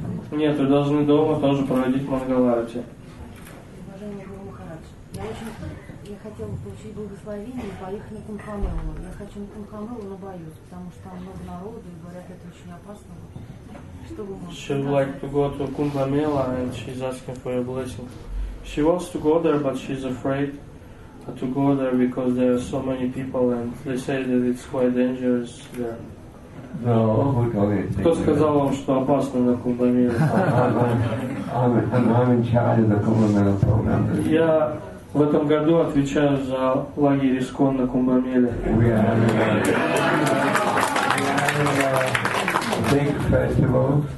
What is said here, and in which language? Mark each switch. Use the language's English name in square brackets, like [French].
[Russian] Нет, вы должны дома тоже проводить Мангаларати. Уважаемый Гуру Махарадж, я хотела получить благословение и поехать на Кумбхамелу. Я хочу на Кумбхамелу, но боюсь, потому что там много народу, и говорят, это очень опасно. [English] She would like to go to Kumbhamela, and she's asking for your blessing. She wants to go there, but she's afraid to go there because there are so many people and they say that it's quite dangerous there. No, we call it. [Russian] Кто сказал вам, что опасно на Кумбамиле? [English] I'm in charge of the Kumbamela program. [Russian] Я в этом году отвечаю за лагерь Искон на Кумбамиле. [English] We are having a big festival.